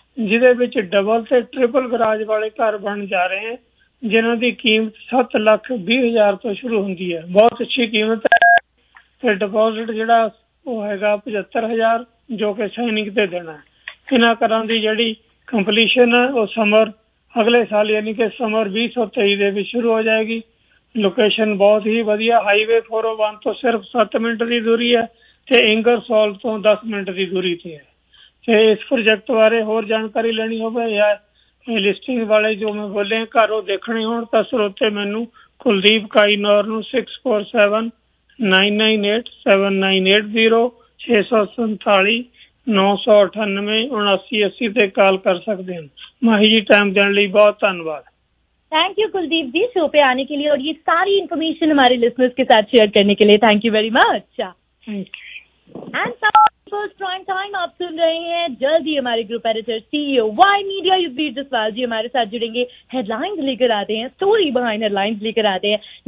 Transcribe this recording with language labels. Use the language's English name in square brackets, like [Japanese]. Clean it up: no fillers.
[Hindi] जिहदे विच डबल ते triple garage वाले घर बन जा रहे हैं जिन्हों की कीमत 7,20,000 तो शुरू होंगी है, बहुत अच्छी कीमत है, फिर डिपोजिट जरा है 75,000 जो कि साइनिंग से देना है। इन्हों घर की जड़ी कंपलीशन है वह समर अगले साल यानी कि समर 2023 शुरू हो जाएगी। लोकेशन बहुत ही वधिया, हाईवे 401 तो सिर्फ 7 मिनट की दूरी है, तो इंगरसॉल तो 10 मिनट की दूरी से है। [Punjabi] ਤੇ ਇਸ ਪ੍ਰੋਜੈਕਟ ਬਾਰੇ ਹੋਰ ਜਾਣਕਾਰੀ ਲੈਣੀ ਹੋਵੇ ਜਾਂ ਲਿਸਟਿੰਗ ਵਾਲੇ ਜੋ ਮੈਂ ਬੋਲੇ ਘਰ ਉਹ ਦੇਖਣੇ ਹੋਣ ਤਾਂ ਸਰੋਤੇ ਮੈਨੂੰ ਕੁਲਦੀਪ ਕਾਈਨੌਰ ਨੂੰ 6479987980647999 ਤੇ ਕਾਲ ਕਰ ਸਕਦੇ ਹਨ। ਮਾਹੀ ਜੀ ਟਾਈਮ ਦੇਣ ਲਈ ਬਹੁਤ ਧੰਨਵਾਦ। [Hindi] Thank you Kuldeep ji show पे आने के लिए और ये सारी इन्फॉर्मेशन हमारे लिसनर्स के साथ शेयर करने के लिए, thank you very much. And prime time आप सुन रहे हैं, जल्दी हमारे group editor CEO Y media युगवीर Jaswal जी हमारे साथ जुड़ेंगे, हेडलाइंस लेकर आते हैं, स्टोरी बिहाइंड हेडलाइंस लेकर आते हैं।